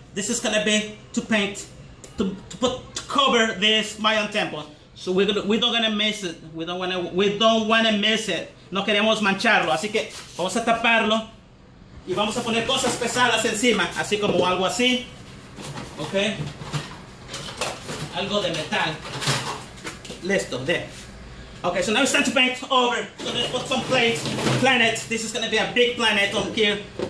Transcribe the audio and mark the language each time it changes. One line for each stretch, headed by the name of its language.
English: This is gonna be to paint, to cover this Mayan temple. So we don't wanna miss it.
Spanish: No queremos mancharlo. Así que vamos a taparlo y vamos a poner cosas pesadas encima, así como algo así, okay? Algo de metal. Listo,
English: there. Okay, so now it's time to paint over. So let's put some planet. This is gonna be a big planet on here.